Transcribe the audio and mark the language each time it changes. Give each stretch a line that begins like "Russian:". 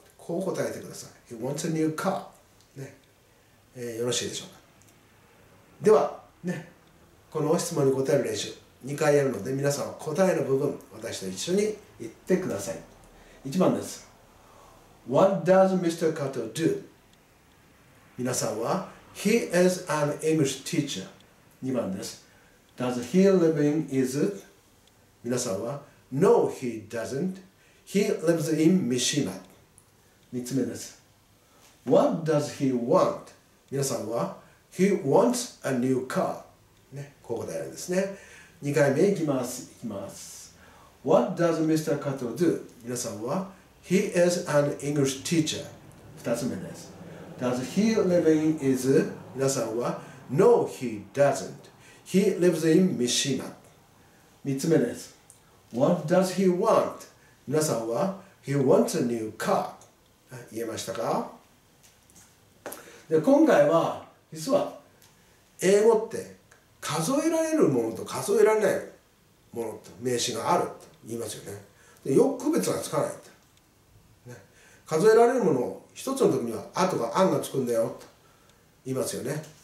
Japanese: こう答えてください。
English: He wants a new car.、
Japanese: ねよろしいでしょうか。では、ね。この質問に答える練習2回やるので、皆さんは答える部分私と一緒に言ってください。 1番です。
English: What does Mr. Kato do?
Japanese: 皆さんは、
English: He is an English teacher.
Japanese: 2番です。
English: Does he live in Izut?
Japanese: 皆さんは、
English: No, he doesn't. He lives in Mishima.
Japanese: 3つ目です。
English: What does he want?
Japanese: 皆さんは、
English: He wants a new car.、
Japanese: ね、ここでやるんですね。 2回目いきます。いきます。
English: What does Mr. Kato do?
Japanese: 皆さんは、
English: He is an English teacher.
Japanese: 2つ目です。
English: Does he live in Izu?
Japanese: 皆さんは、
English: No, he doesn't. He lives in Mishima.
Japanese: 3つ目です。
English: What does he want?
Japanese: 皆さんは、
English: He wants a new car.
Japanese: 言えましたか？で、今回は、実は、英語って数えられるものと数えられないものと名詞があると言いますよね。でよく区別がつかないと、ね。数えられるものを一つの時には、あとがあんがつくんだよと言いますよね。